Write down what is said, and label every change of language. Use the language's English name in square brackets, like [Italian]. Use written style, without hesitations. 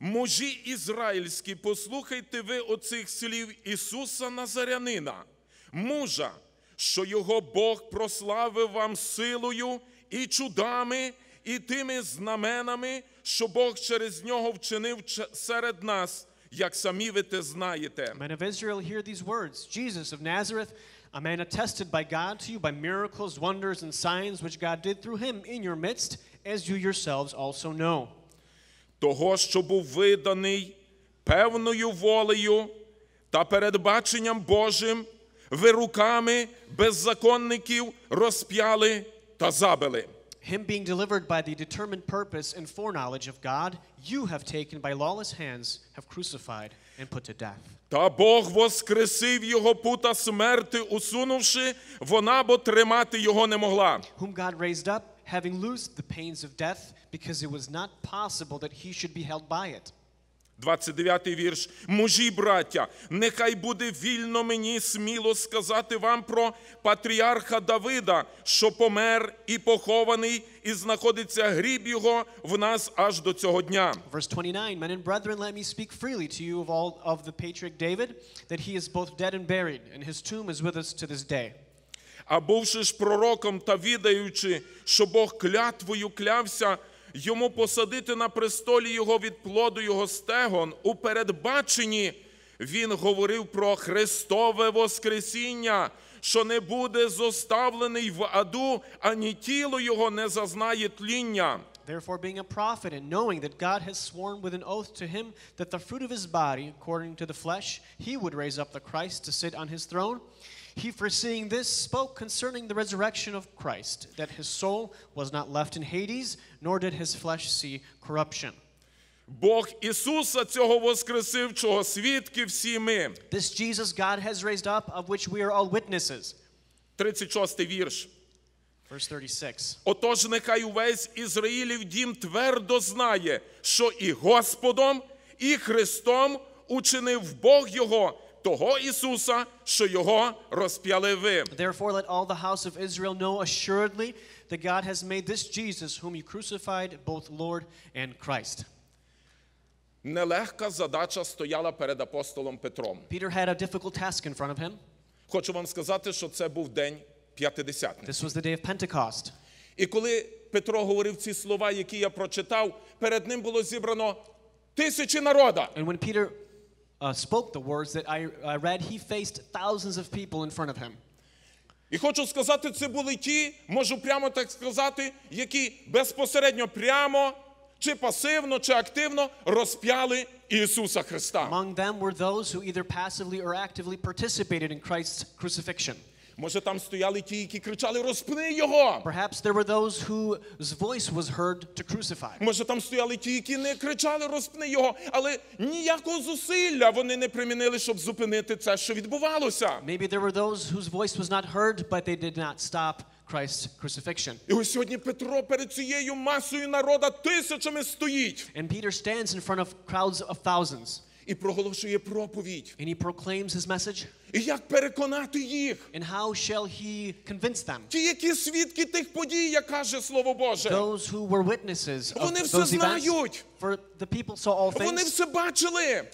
[Ukrainian] Мужі ізраїльські, послухайте ви оцих слів Ісуса Назарянина, мужа, що його Бог прославив вам силою і чудами, і тими знаменами, що Бог через нього вчинив серед нас. Як самі ви те знаєте. [English] Men of Israel, hear these words. Jesus of Nazareth, a man attested by God to you by miracles, wonders, and signs which God did through him in your midst, as you yourselves also know. [Ukrainian] Того, що був виданий певною волею та передбаченням Божим, ви руками беззаконників розп'яли та забили. [English] Him being delivered by the determined purpose and foreknowledge of God, you have taken by lawless hands, have crucified and put to death. [Ukrainian] Та Бог воскресив його пута смерти, усунувши, вона бо тримати його не могла. [English] Whom God raised up, having loosed the pains of death, because it was not possible that he should be held by it. [Ukrainian] 29-й вірш. Мужі, браття, нехай буде вільно мені сміло сказати вам про патріарха Давида, що помер і похований, і знаходиться гріб його в нас аж до цього дня. [English] Verse 29. Men and brethren, let me speak freely to you of the patriarch David, that he is both dead and buried, and his tomb is with us to this day. [Ukrainian] А бувши ж пророком та відаючи, що Бог клятвою клявся, йому посадити на престолі його від плоду його стегон, у передбаченні він говорив про Христове воскресіння, що не буде зоставлений в аду, ані тіло його не зазнає тління. [English] Therefore, being a prophet and knowing that God has sworn with an oath to him that the fruit of his body, according to the flesh, he would raise up the Christ to sit on his throne, he, foreseeing this, spoke concerning the resurrection of Christ, that his soul was not left in Hades, nor did his flesh see corruption. [Ukrainian] Бог Ісуса цього воскресив, чого свідки всі ми. [English] This Jesus God has raised up, of which we are all witnesses. [Ukrainian] 36-й вірш. [English] Verse 36. [Ukrainian] Отож, нехай увесь Ізраїлів дім твердо знає, що і Господом, і Христом учинив Бог його, того Ісуса, що його розп'яли ви. [English] Therefore, let all the house of Israel know assuredly that God has made this Jesus, whom you crucified, both Lord and Christ. [Ukrainian] Нелегка задача стояла перед апостолом Петром. [English] Peter had a difficult task in front of him. [Ukrainian] Хочу вам сказати, що це був день П'ятидесятник. [English] This was the day of Pentecost. [Ukrainian] І коли Петро говорив ці слова, які я прочитав, перед ним було зібрано тисячі народа. [English] And when Peter spoke the words that I read, he faced thousands of people in front of him. [Ukrainian] І хочу сказати, це були ті, можу прямо так сказати, які безпосередньо прямо, чи пасивно, чи активно розп'яли Ісуса Христа. [English] Among them were those who either passively or actively participated in Christ's crucifixion. [Ukrainian] Може, там стояли ті, які кричали: «Розпни його!» [English] Perhaps there were those whose voice was heard to crucify. [Ukrainian] Може, там стояли ті, які не кричали: «Розпни його!» Але ніякого зусилля вони не примінили, щоб зупинити це, що відбувалося. [English] Maybe there were those whose voice was not heard, but they did not stop Christ's crucifixion. [Ukrainian] І ось сьогодні Петро перед цією масою народа тисячами стоїть. [English] And Peter stands in front of crowds of thousands. [Ukrainian] І проголошує проповідь. [English] And he proclaims his message. [Ukrainian] І як переконати їх? [English] And how shall he convince them? [Ukrainian] Ті, які свідки тих подій, як каже Слово Боже. [English] Those who were witnesses of those events. [Ukrainian] Вони все знають. [English] For the people saw all things. [Ukrainian] Вони все бачили.